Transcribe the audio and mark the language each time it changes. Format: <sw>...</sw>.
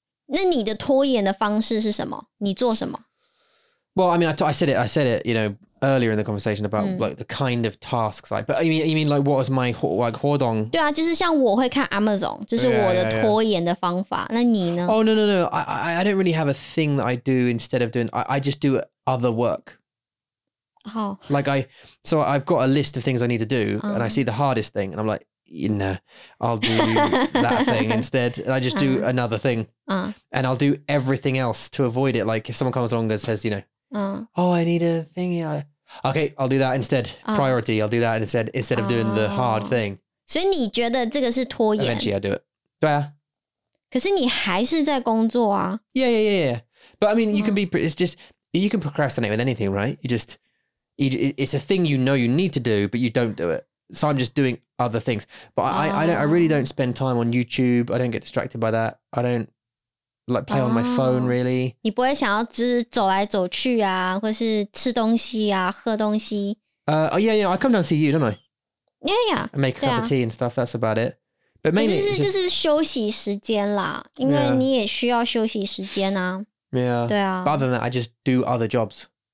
<zh>那你的拖延的方式是什么? 你做什么?</zh> <en>Well, I mean, I said it, you know, earlier in the conversation about like the kind of tasks I, but you mean like what was my like 活动?</en> <zh>对啊,就是像我会看 Amazon, 这是我的拖延的方法, 那你呢?</zh> <en>Oh, no, I don't really have a thing that I do instead of doing, I just do other work. Oh. Like I've got a list of things I need to do and I see the hardest thing and I'm like, you know, I'll do that thing instead. And I just do another thing and I'll do everything else to avoid it. Like if someone comes along and says, you know, oh, I need a thing. Okay, I'll do that instead. Priority, I'll do that instead of doing the hard thing.</en> <zh>所以你觉得这个是拖延?</zh> <en>Eventually I do it.</en> <zh>对啊。可是你还是在工作啊。</zh> <en>Yeah. But I mean, you can be, it's just, you can procrastinate with anything, right? It's a thing you know you need to do, but you don't do it. So I'm just doing other things. But I really don't spend time on YouTube. I don't get distracted by that. I don't like play on my phone, really.</en> <zh>你不会想要就是走来走去啊, 或是吃东西啊, 喝东西?</zh> <en>Yeah, I come down to see you, don't I? Yeah. I make a cup of tea and stuff, that's about it. But mainly it's just</en> <zh>休息时间啦,</zh> <en>but other than that, I just do other jobs.</en>